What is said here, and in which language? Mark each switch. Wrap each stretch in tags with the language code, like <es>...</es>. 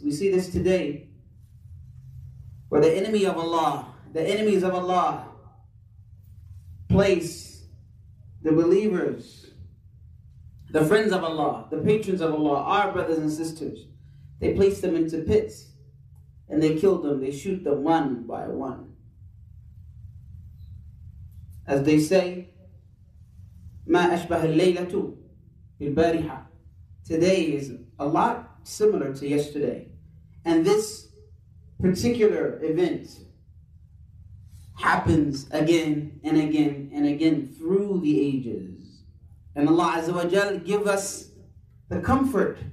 <en>We see this today, where the enemy of Allah, the enemies of Allah, place the believers, the friends of Allah, the patrons of Allah, our brothers and sisters, they place them into pits and they kill them, they shoot them one by one. As they say,</en> <ar>مَا أَشْبَهَ اللَّيْلَةُ بِالْبَارِحَةِ.</ar> <en>Today is a lot similar to yesterday. And this particular event happens again and again and again through the ages. And Allah Azza wa Jal give us the comfort.</en>